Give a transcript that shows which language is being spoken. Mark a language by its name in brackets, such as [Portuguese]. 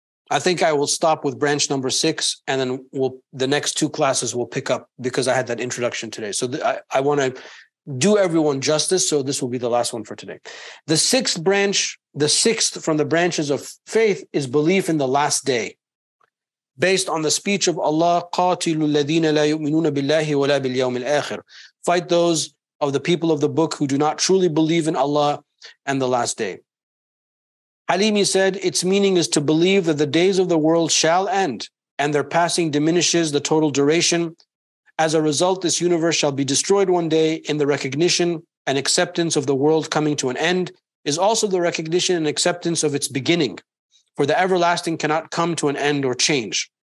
[English] I think I will stop with branch number 6, and then the next two classes will pick up, because I had that introduction today. So I want to do everyone justice, so this will be the last one for today. The sixth branch, the sixth from the branches of faith, is belief in the last day. Based on the speech of Allah, [Arabic] قَاتِلُوا الَّذِينَ لَا يُؤْمِنُونَ بِاللَّهِ وَلَا بِالْيَوْمِ الْآخِرِ. [English] Fight those of the people of the book who do not truly believe in Allah and the last day. Halimi said, its meaning is to believe that the days of the world shall end, and their passing diminishes the total duration. As a result, this universe shall be destroyed one day, in the recognition and acceptance of the world coming to an end is also the recognition and acceptance of its beginning, for the everlasting cannot come to an end or change.